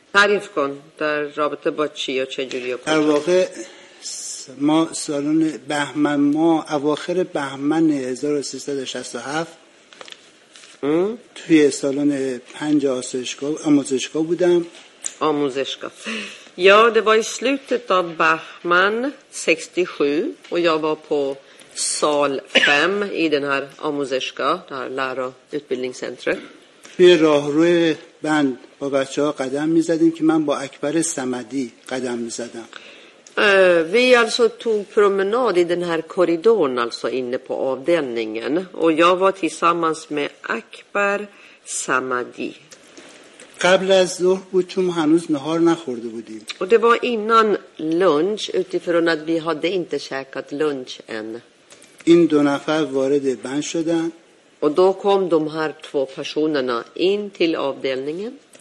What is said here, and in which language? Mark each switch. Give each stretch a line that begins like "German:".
Persian: تعریف کن در رابطه با چی و چه جوری در واقع ما سالن بهمن ما اواخر بهمن 1367 توی سالن 5 آموزشگاه بودم آموزشگاه یا
Swedish: det var i slutet av Bahman 67 و jag var på sal 5 i den här آموزشگاه där lära utbildningscentret
Persian: توی راهروی بند با بچه ها قدم می زدیم که من با اکبر صمدی قدم می زدم.
Swedish: Vi alltså tog promenad i den här korridoren, alltså inne på avdelningen. Och jag var tillsammans med Akbar Samadi.
Persian: قبل از ظهر بود چون هنوز نهار نخورده بودیم.
Swedish: Och det var innan lunch, utifrån att vi hade inte käkat lunch än.
Persian: این دو نفر وارد بند شدن.
Swedish: Och då kom de här två personerna in till avdelningen.